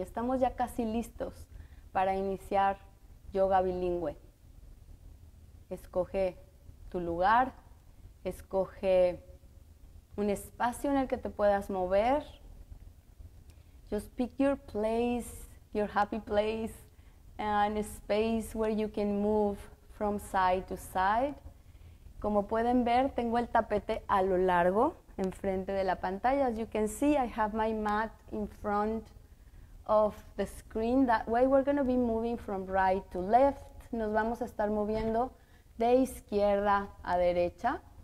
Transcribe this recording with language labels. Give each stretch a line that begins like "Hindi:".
Spanish: Estamos ya casi listos para iniciar yoga bilingüe. Escoge tu lugar. Escoge un espacio en el que te puedas mover.
English: Just pick your place, your happy place, and a space where you can move from side to side.
Spanish: Como pueden ver, tengo el tapete a lo largo, enfrente de la pantalla.
English: As you can see, I have my mat in front of the screen. That way we're going to be moving from right to left.
Spanish: Nos vamos a estar moviendo de izquierda a derecha.